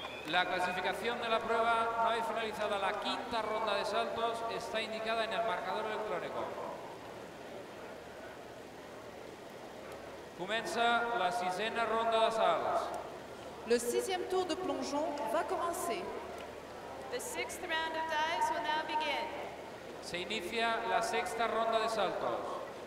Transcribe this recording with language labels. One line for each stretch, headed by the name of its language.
Spanish: La clasificación de la prueba, una vez finalizada la quinta ronda de saltos, está indicada en el marcador electrónico. Comienza la sisena ronda de saltos.
French: Le sixième tour de plongeon va commencer.
English: The sixth round of dives will now begin.
Spanish: Se inicia la sexta ronda de saltos.